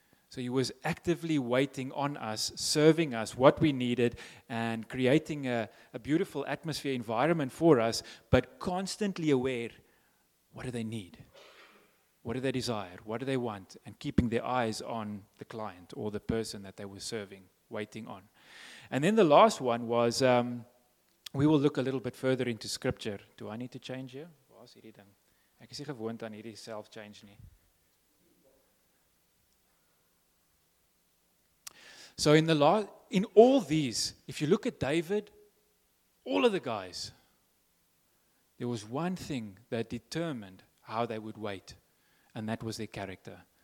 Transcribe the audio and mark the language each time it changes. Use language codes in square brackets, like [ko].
[en] So he was actively waiting on us, serving us what we needed, and creating a beautiful atmosphere, environment for us, but constantly aware, what do they need? What do they desire? What do they want? And keeping their eyes on the client or the person that they were serving, waiting on. And then the last one was, we will look a little bit further into scripture. Do I need to change here? What is [af] hierdie ding? Ek is nie gewoond aan hierdie self-change nie. [en] So in all these, if you look at David, all of the guys, there was one thing that determined how they would wait, and that was their character.